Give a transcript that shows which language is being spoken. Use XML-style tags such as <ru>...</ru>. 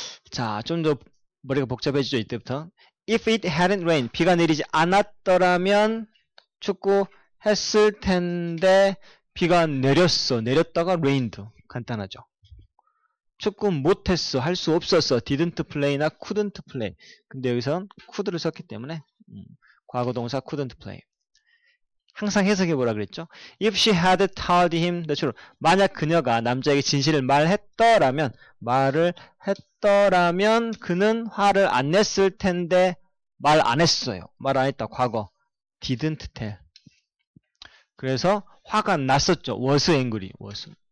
<ko>자, 좀더 머리가 복잡해지죠 이때부터.</ko> <en>If it hadn't rained,</en> <ko>비가 내리지 않았더라면 축구했을 텐데 비가 내렸어. 내렸다가 rained. 간단하죠. 축구 못했어. 할수 없었어. Didn't play나</ko> <en>couldn't play.</en> <ko>근데 여기선 could를 썼기 때문에 과거 동사</ko> <en>couldn't play.</en> <ko>항상 해석해 보라 그랬죠?</ko> <en>If she had told him the truth.</en> <ko>만약 그녀가 남자에게 진실을 말했더라면, 말을 했더라면 그는 화를 안 냈을 텐데 말 안 했어요. 말 안 했다. 과거.</ko> <en>didn't tell.</en> <ko>그래서 화가 났었죠.</ko> <en>was angry.</en> <ko>was.</ko>